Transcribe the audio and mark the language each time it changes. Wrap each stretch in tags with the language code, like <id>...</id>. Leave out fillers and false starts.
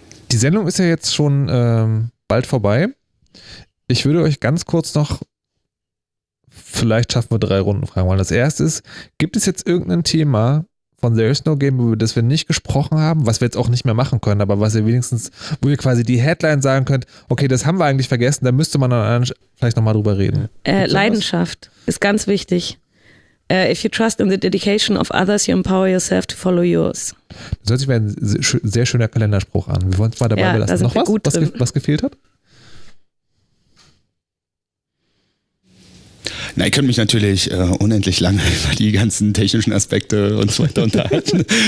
<de>Die Sendung ist ja jetzt schon bald vorbei. Ich würde euch ganz kurz noch, vielleicht schaffen wir drei Runden, fragen wollen. Das erste ist, gibt es jetzt irgendein Thema von There is No Game, über das wir nicht gesprochen haben, was wir jetzt auch nicht mehr machen können, aber was ihr wenigstens, wo ihr quasi die Headline sagen könnt, okay, das haben wir eigentlich vergessen, da müsste man dann vielleicht nochmal drüber reden. Leidenschaft ist ganz wichtig.</de> <en>If you trust in the dedication of others, you empower yourself to follow yours.</en> <de>Das hört sich wie ein sehr schöner Kalenderspruch an. Wir wollen es mal dabei belassen. Noch was? Was gefehlt hat? Na, ich könnte mich natürlich unendlich lange über die ganzen technischen Aspekte und so weiter unterhalten.</de>